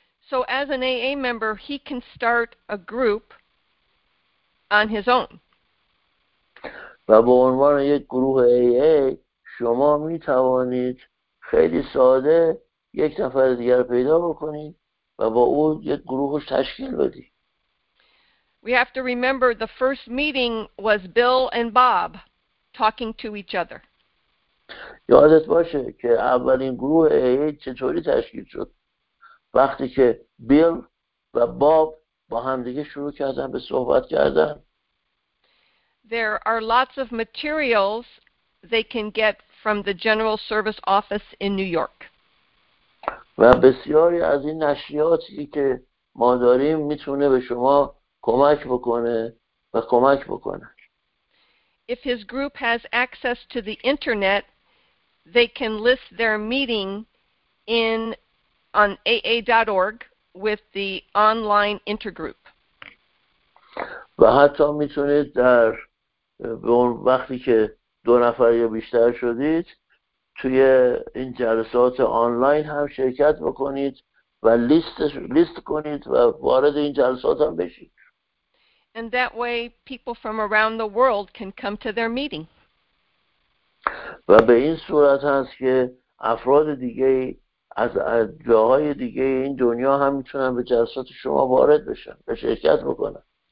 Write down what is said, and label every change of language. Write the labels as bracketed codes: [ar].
[en] So as an AA member, he can start a group on his own. [fa] و به عنوان یک گروه AA شما می توانید خیلی ساده یک نفر دیگر پیدا بکنید و با او یک گروهش تشکیل بدید. [en] We have to remember the first meeting was Bill and Bob talking to each other. [fa] یادت باشه که اولین گروه AA چطوری تشکیل شد؟ وقتی که بیل و باب با هم دیگه شروع کردن به صحبت کردن. [en] There are lots of materials they can get from the General Service Office in New York. [fa] و بسیاری از این نشریاتی که ما داریم میتونه به شما کمک بکنه و کمک بکنه. [en] If his group has access to the internet, they can list their meeting in on AA.org with the online intergroup. [fa] و حتی میتونید در وقتی که 2 نفر یا بیشتر شدید توی این جلسات آنلاین هم شرکت بکنید و لیست کنید و وارد این جلسات هم بشید. [en] And that way people from around the world can come to their meeting. [fa] و به این صورت هست که افراد دیگه از جاهای دیگه این دنیا هم میتونن به جلسات شما وارد بشن و شرکت بکنن.